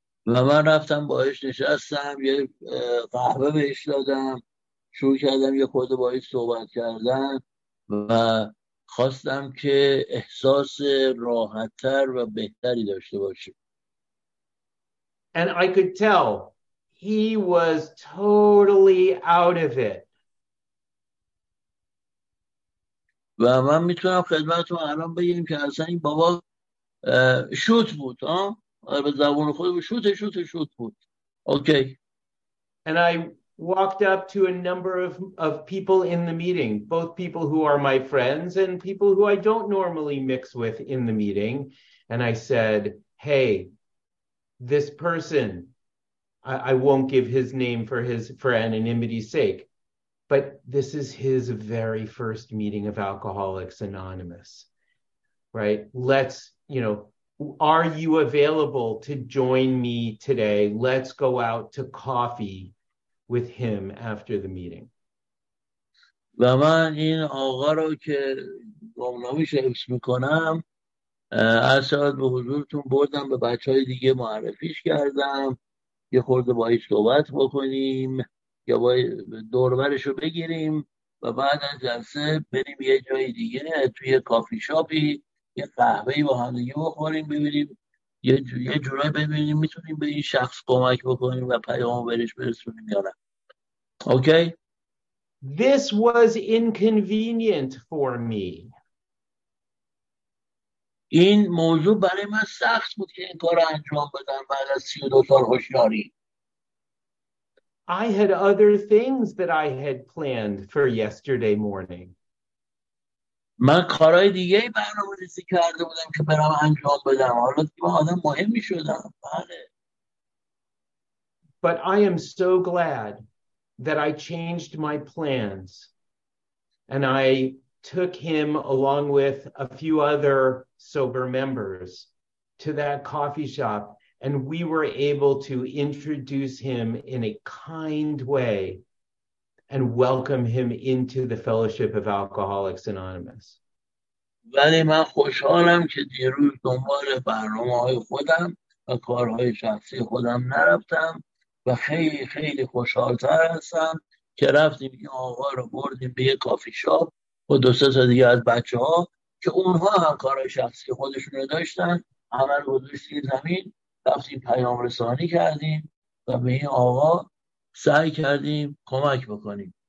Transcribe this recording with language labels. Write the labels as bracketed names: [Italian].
[Persian] و من رفتم باهاش نشستم، یه قهوه بهش دادم، شروع کردم یه خورده باهاش صحبت کردن و خواستم که احساس راحت‌تر و بهتری داشته باشه. [English] And I could tell he was totally out of it. [Persian] و من میتونم خدمتتون الان بگم که اصلا این بابا شوت بود، ها؟ به زبان خودمون شوت بود. [English] Okay. And I walked up to a number of people in the meeting, both people who are my friends and people who I don't normally mix with in the meeting. And I said, hey, this person, I won't give his name for anonymity's sake, But this is his very first meeting of Alcoholics Anonymous, right? Let's, you know, are you available to join me today? Let's go out to coffee with him after the meeting. [Persian] و من این آقا رو که گمنامیش حفظ میکنم از ساعت به حضورتون بردم به بچه های دیگه معرفیش کردم یه خورده با ایش صحبت بکنیم یا با دوربرش رو بگیریم و بعد از جلسه بریم یه جای دیگه توی کافی شاپی یه قهوهی با هم دیگه بخوریم ببینیم یه جورایی ببینیم میتونیم به این شخص کمک بکنیم و پیامو برش برسونیم یا نه. [English] Okay? This was inconvenient for me. [Persian] این موضوع برای من سخت بود که این کارو انجام بدم بعد از 32 سال هوشیاری. [English] I had other things that I had planned for yesterday morning. [Persian] من کارهای دیگه برنامه‌ریزی کرده بودم که برام انجام بدم. حالا دیگه آدم مهم می‌شدم. بله. [English] But I am so glad that I changed my plans and I took him along with a few other sober members to that coffee shop and we were able to introduce him in a kind way and welcome him into the Fellowship of Alcoholics Anonymous. [Persian] ولی من خوشحالم که دیروز دنبال برنامه‌های خودم و کارهای شخصی خودم نرفتم و خیلی خیلی خوشحالتر هستم که رفتیم این آقا رو بردیم به یه کافی شاپ و دو سه تا دیگه از بچه ها که اونها هم کارهای شخصی خودشون رو داشتن همه رو گذاشتیم زمین رفتیم پیام رسانی کردیم و به این آقا سعی کردیم کمک بکنیم.